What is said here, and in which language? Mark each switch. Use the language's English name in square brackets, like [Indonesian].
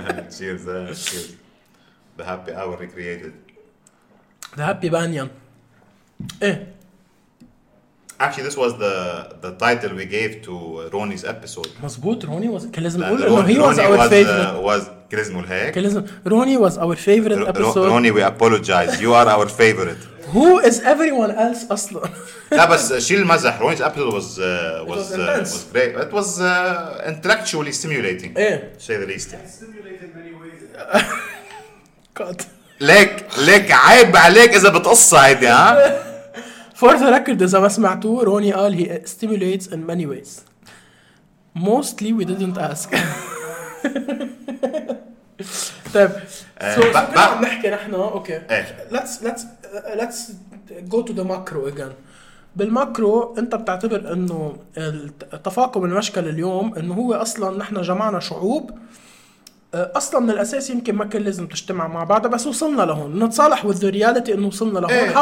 [English] cheers the happy hour we created the happy banyan ايه actually this was the title we gave to Ronnie's episode [Arabic] مزبوط روني [English] was [Arabic] كان لازم نقول انه [English] he was our favorite كلزم Ronnie was our favorite episode Ronnie we apologize you are our favorite who is everyone else أصلا [Arabic] لا بس شيل المزح [English] Ronnie's episode was great it was intellectually stimulating [Arabic] إيه [English] say the least it stimulated many ways [Arabic] ليك عيب عليك إذا بتقصة هيدي ها [English] for the record [Arabic] إذا ما سمعتوه روني قال [English] he stimulates in many ways mostly we didn't ask [Arabic] طيب نحكي نحن اوكي [English] let's go to the macro again [Arabic] بالماكرو انت بتعتبر انه التفاقم المشكل اليوم انه هو اصلا نحن جمعنا شعوب اصلا من الاساس يمكن ما كان لازم تجتمع مع بعض بس وصلنا لهون نتصالح [English] with the reality [Arabic] انه وصلنا لهون ايه.